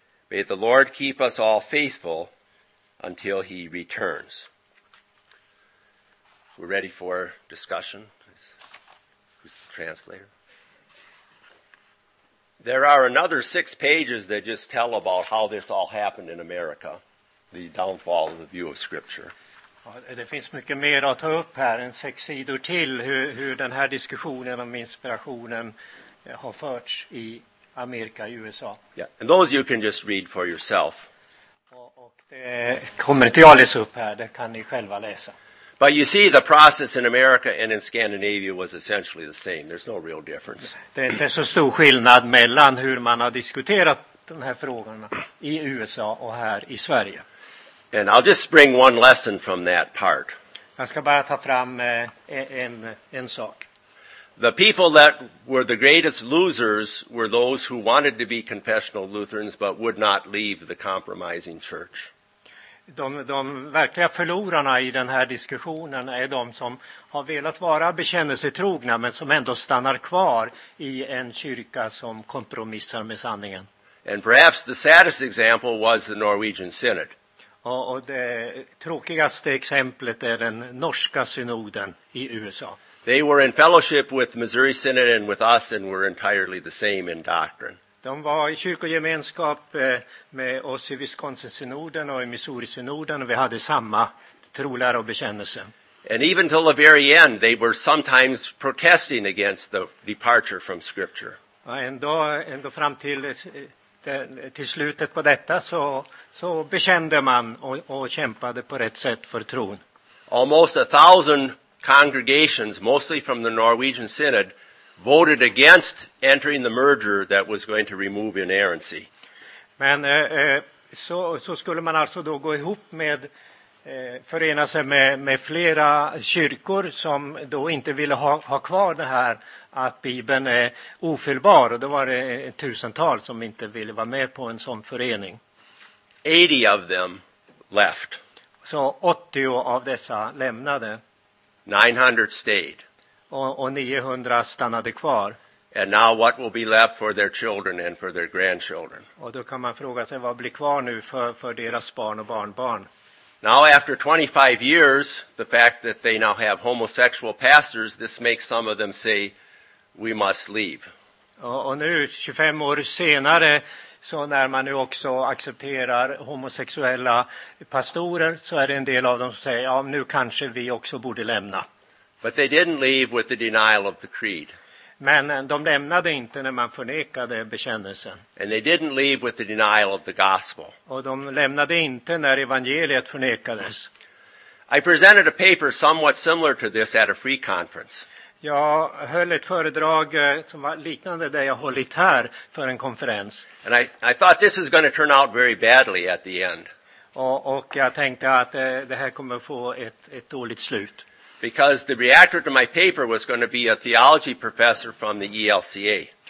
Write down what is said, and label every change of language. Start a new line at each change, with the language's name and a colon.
English: May the Lord keep us all faithful until he returns. We're ready for discussion. Who's the translator? There are another 6 pages that just tell about how this all happened in America, the downfall of the view of Scripture.
Swedish: Det finns mycket mer att ta upp här, en 6 sidor till, hur den här diskussionen om inspirationen har förts i Amerika, i USA.
English: Yeah, and those you can just read for yourself.
Swedish: Och det kommer inte jag läsa upp här, det kan ni själva läsa.
English: But you see, the process in America and in Scandinavia was essentially the same. There's no real difference.
Swedish: Det är inte så stor skillnad mellan hur man har diskuterat de här frågorna i USA och här i Sverige.
English: And I'll just bring one lesson from that part.
Swedish: Jag ska bara ta fram en sak.
English: The people that were the greatest losers were those who wanted to be confessional Lutherans but would not leave the compromising church.
Swedish: De verkliga förlorarna i den här diskussionen är de som har velat vara bekännelsetrogna men som ändå stannar kvar i en kyrka som kompromissar med sanningen.
English: And perhaps the saddest example was the Norwegian Synod.
Swedish: Och det tråkigaste exemplet är den norska synoden i USA.
English: They were in fellowship with Missouri Synod and with us and were entirely the same in doctrine.
Swedish: De var i kyrkogemenskap med oss i Wisconsin-synoden och i Missouri-synoden och vi hade samma trolära och bekännelse.
English: And even till the very end they were sometimes protesting against the departure from scripture.
Swedish: Ändå fram till slutet på detta så bekände man och kämpade på rätt sätt för tron.
English: Almost 1,000 congregations, mostly from the Norwegian Synod, voted against entering the merger that was going to remove inerrancy.
Swedish: Men så skulle man alltså då gå ihop med, förena sig med flera kyrkor som då inte ville ha kvar det här att Bibeln är ofelbar. Och då var det 1,000-tal som inte ville vara med på en sån förening.
English: 80 of them left.
Swedish: Så 80 av dessa lämnade.
English: 900 stayed.
Swedish: Och 900 stannade kvar.
English: And now what will be left for their children and for their grandchildren?
Swedish: Och då kan man fråga sig vad blir kvar nu för deras barn och barnbarn.
English: Now after 25 years, the fact that they now have homosexual pastors, this makes some of them say, we must leave.
Swedish: Och nu 25 år senare, så när man nu också accepterar homosexuella pastorer, så är det en del av dem som säger, ja, nu kanske vi också borde lämna.
English: But they didn't leave with the denial of the creed.
Swedish: Men de lämnade inte när man förnekade bekännelsen.
English: And they didn't leave with the denial of the gospel.
Swedish: Och de lämnade inte när evangeliet förnekades.
English: I presented a paper somewhat similar to this at a free conference.
Swedish: Jag höll ett föredrag som var liknande det jag hållit här för en konferens.
English: And I thought this is going to turn out very badly at the end.
Swedish: Och jag tänkte att det här kommer få ett dåligt slut.
English: Because the reactor to my paper was going to be a theology professor from the ELCA.